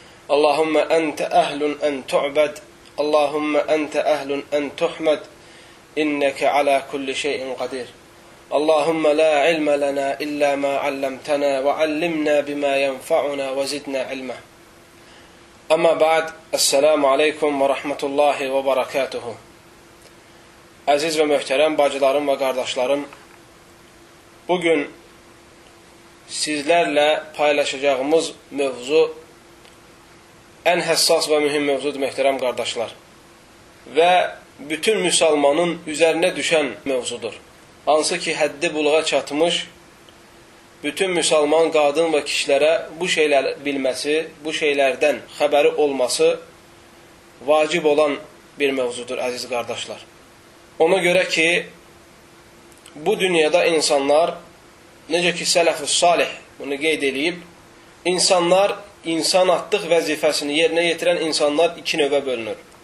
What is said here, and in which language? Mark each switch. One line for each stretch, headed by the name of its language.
Arabic: اللهم أنت أهل أن تعبد، اللهم أنت أهل أن تحمد، إنك على كل شيء قدير. اللهم لا علم لنا إلا ما علمتنا وعلمنا بما ينفعنا وزدنا علما. أما بعد، السلام عليكم ورحمة الله وبركاته.
Turkish: عزيز ومحترم باجلارım ve kardeşlerim, bugün sizlerle paylaşacağımız mevzu en hassas ve mühim mevzudur mühterem kardeşler. Ve bütün Müslümanın üzerine düşen mevzudur.
Azerbaijani: Hansı ki həddi buluğa çatmış, bütün müsəlman qadın və kişilərə bu şeylər bilməsi, bu şeylərdən xəbəri olması vacib olan bir mövzudur, əziz qardaşlar. Ona görə ki, bu dünyada insanlar, necə ki sələf-i salih bunu qeyd edib, insanlar, insan atdıq vəzifəsini yerinə yetirən insanlar iki növə bölünür.